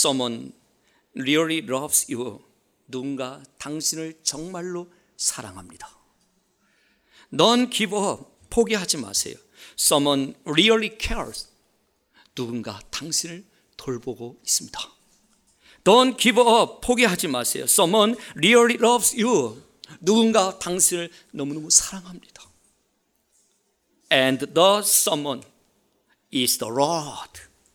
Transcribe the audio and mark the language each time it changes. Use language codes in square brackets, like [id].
[en] Someone really loves you. [ko] 누군가 당신을 정말로 사랑합니다. [en] Don't give up. [ko] 포기하지 마세요. [en] Someone really cares. [ko] 누군가 당신을 돌보고 있습니다. [en] Don't give up. [ko] 포기하지 마세요. [en] Someone really loves you. [ko] 누군가 당신을 너무너무 사랑합니다. [en] And the someone is the Lord.